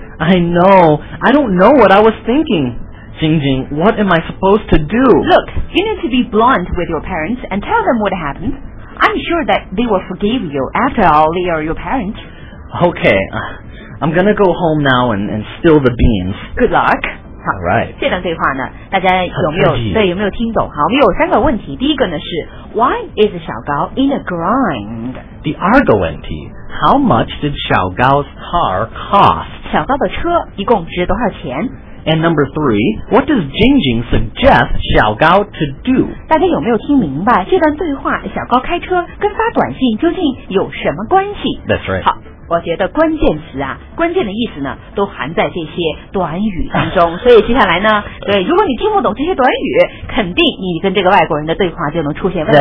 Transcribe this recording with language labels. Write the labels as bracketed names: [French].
[English] I know. I don't know what I was thinking. Jing Jing, what am I supposed to do? Look, you need to be blunt with your parents and tell them what happened. I'm sure that they will forgive you. After all, they are your parents. Okay. I'm gonna go home now and spill the beans. Good luck. All right. [Chinese] 这段对话呢，大家有没有对有没有听懂？好，我们有三个问题。 [English] 第一个呢是 Why is 小高 in a grind? The argument. How much did 小高's car cost? [Chinese] 小高的车一共值多少钱？ [English] And number three, what does Jing Jing suggest 小高 to do? [Chinese] 大家有没有听明白这段对话？小高开车跟发短信究竟有什么关系 [English] ？That's right. [Chinese] 好，我觉得关键词啊，关键的意思呢，都含在这些短语当中。所以接下来呢，对，如果你听不懂这些短语，肯定你跟这个外国人的对话就能出现问题。